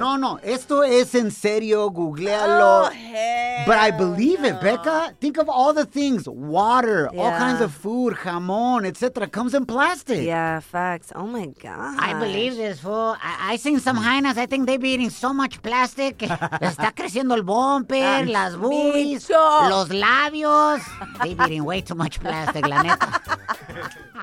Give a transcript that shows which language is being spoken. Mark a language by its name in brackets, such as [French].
[Spanish] No, no. Esto es en serio. Googlealo. [English] Oh, hell. But I believe it, Becca. Think of all the things. Water, all kinds of food, jamón, etc. comes in plastic. Yeah, facts. Oh, my God. I believe this, fool. I seen some hyenas. I think they be eating so much plastic. [Spanish] Está creciendo el bumper, las boobies, los labios. [English] They be eating way too much plastic, [Spanish] la neta.